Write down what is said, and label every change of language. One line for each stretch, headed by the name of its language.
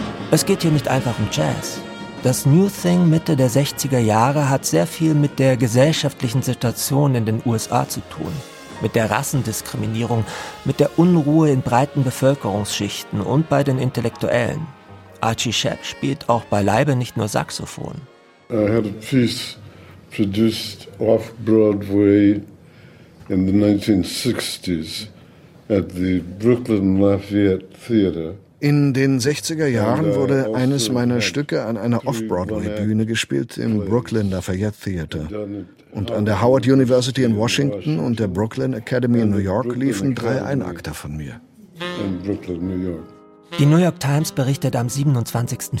German: Es geht hier nicht einfach um Jazz. Das New Thing Mitte der 60er Jahre hat sehr viel mit der gesellschaftlichen Situation in den USA zu tun. Mit der Rassendiskriminierung, mit der Unruhe in breiten Bevölkerungsschichten und bei den Intellektuellen. Archie Shepp spielt auch beileibe nicht nur Saxophon.
English: I had a piece produced off Broadway in the 1960s at the Brooklyn Lafayette Theater.
German: In den 60er Jahren wurde eines meiner Stücke an einer Off-Broadway-Bühne gespielt im Brooklyn Lafayette Theater. Und an der Howard University in Washington und der Brooklyn Academy in New York liefen 3 Einakter von mir. Die New York Times berichtet am 27.